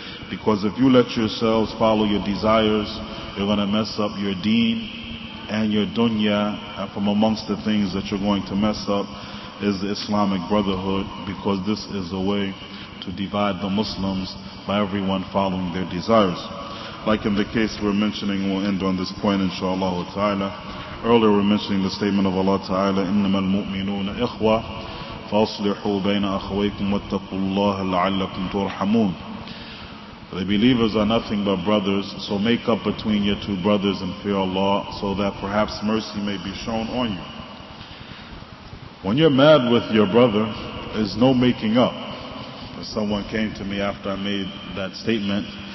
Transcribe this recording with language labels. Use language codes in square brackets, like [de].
[en] Because if you let yourselves follow your desires, you're going to mess up your deen and your dunya. And from amongst the things that you're going to mess up is the Islamic Brotherhood, because this is a way to divide the Muslims by everyone following their desires. Like in the case we're mentioning, we'll end on this point inshallah ta'ala. Earlier we're mentioning the statement of Allah ta'ala, [ar] إِنَّمَا الْمُؤْمِنُونَ إِخْوَةً فَأَصْلِحُوا بَيْنَ أَخْوَيْكُمْ وَاتَّقُوا اللَّهَ لَعَلَّكُمْ تُرْحَمُونَ. [en] The believers are nothing but brothers, so make up between your two brothers and fear Allah, so that perhaps mercy may be shown on you. When you're mad with your brother, there's no making up. Someone came to me after I made that statement.